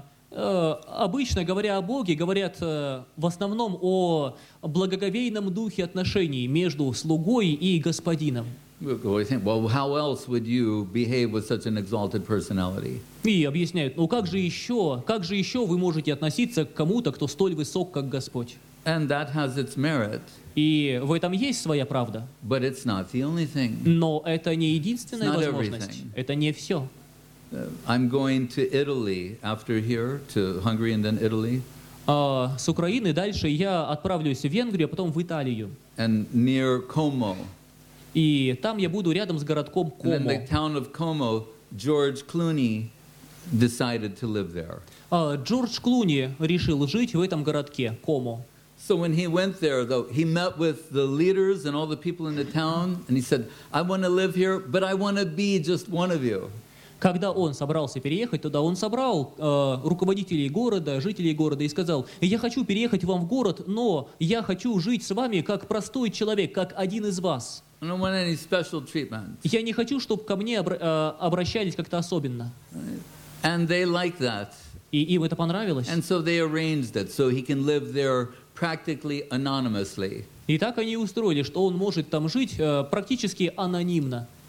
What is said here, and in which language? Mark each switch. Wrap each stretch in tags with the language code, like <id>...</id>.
<ru>Обычно, говоря о Боге, говорят в основном о благоговейном духе отношений между слугой и господином.</ru> <en>Well, how else would you behave with such an exalted personality?</en> <ru>И объясняют, ну как же еще вы можете относиться к кому-то, кто столь высок, как Господь?</ru> <en>And that has its merit.</en> <ru>И в этом есть своя правда.</ru> <en>But it's not the only thing.</en> <ru>Но это не единственная возможность. Это не все.</ru> <en>I'm going to Italy after here, to Hungary and then Italy.</en> <ru>С Украины дальше я отправлюсь в Венгрию, а потом в Италию.</ru> <en>And near Como.</en> <ru>И там я буду рядом с городком Комо.</ru> <en>And in the town of Como, George Clooney decided to live there.</en> <ru>Джордж Клуни решил жить в этом городке Комо.</ru> <en>So when he went there, though, he met with the leaders and all the people in the town, and he said, "I want to live here, but I want to be just one of you."</en> <ru>Когда он собрался переехать туда, он собрал руководителей города, жителей города и сказал, «Я хочу переехать вам в город, но я хочу жить с вами как простой человек, как один из вас».</ru> <en>I don't want any special treatment.</en> <ru>Я не хочу, чтобы ко мне обращались как-то особенно.</ru> <en>And they like that.</en> <ru>И им это понравилось.</ru> <en>And so they arranged it, so he can live there practically anonymously.</en> <ru>И так они устроили, что он может там жить практически анонимно.</ru>